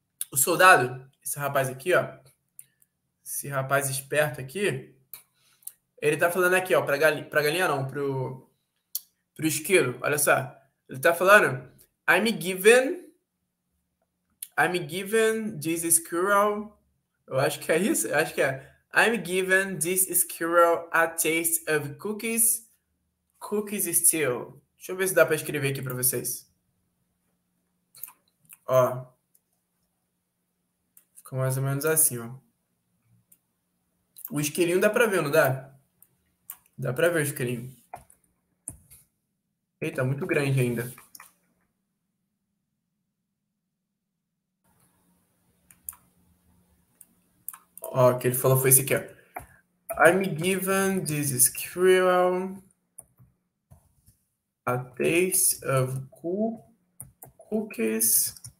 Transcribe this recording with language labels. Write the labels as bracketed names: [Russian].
[Portuguese] O soldado, esse rapaz aqui, ó. Esse rapaz esperto aqui, ele tá falando aqui, ó, pra galinha não, pro esquilo, olha só. Ele tá falando: [English] I'm given this squirrel. [Portuguese] Eu acho que é isso, eu acho que é. [English] I'm given this squirrel a taste of cookies still. [Portuguese] Deixa eu ver se dá pra escrever aqui pra vocês. Ó. Ficou mais ou menos assim, ó. O esquilinho dá pra ver, não dá? Dá pra ver o screen. Eita, muito grande ainda. Ó, o que ele falou foi esse aqui, ó. [English] I'm given this squirrel a taste of cookies.